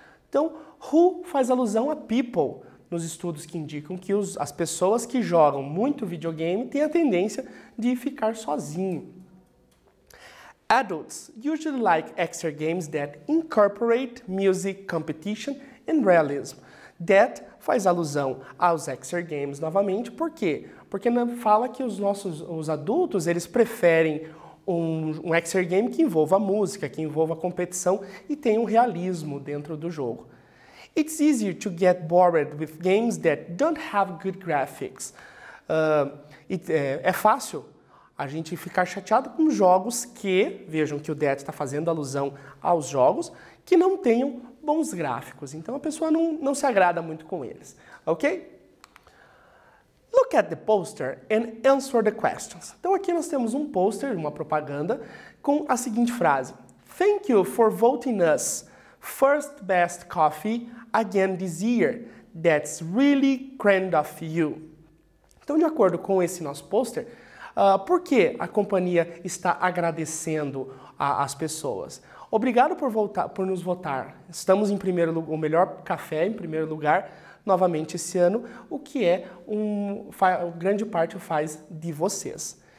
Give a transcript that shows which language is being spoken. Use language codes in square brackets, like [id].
[pt] Então, who faz alusão a people nos estudos que indicam que as pessoas que jogam muito videogame têm a tendência de ficar sozinho. [en] Adults usually like extra games that incorporate music, competition and realism. [pt] That faz alusão aos extra games novamente, por quê? Porque fala que os adultos, eles preferem um extra game que envolva música, que envolva competição e tem um realismo dentro do jogo. [en] It's easier to get bored with games that don't have good graphics. [pt] É fácil a gente ficar chateado com jogos que, vejam que o Dad está fazendo alusão aos jogos, que não tenham bons gráficos. Então a pessoa não se agrada muito com eles. Ok? [en] Look at the poster and answer the questions. [pt] Então aqui nós temos um poster, uma propaganda, com a seguinte frase. [en] Thank you for voting us first best coffee again this year. That's really grand of you. [pt] Então, de acordo com esse nosso pôster, por que a companhia está agradecendo as pessoas? Obrigado por nos votar. Estamos em primeiro lugar, o melhor café em primeiro lugar, novamente esse ano, o que é grande parte faz de vocês.